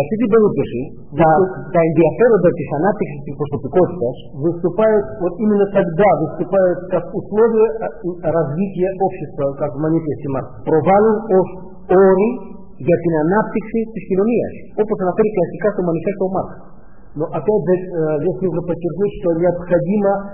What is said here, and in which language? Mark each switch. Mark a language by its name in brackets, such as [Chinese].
[Greek] αυτή την περίπτωση, τα ενδιαφέροντα της ανάπτυξης της προσωπικότητας [Russian] выступают вот именно тогда, выступают как условия развития общества, как в манифесте Маркса, [Greek] προβάλλουν ως όροι για την ανάπτυξη της κοινωνίας, όπως αναφέρει κλασικά στο Μανιφέστο Μάρξ. [Russian] Но опять же, если вы подчеркнете, что необходимо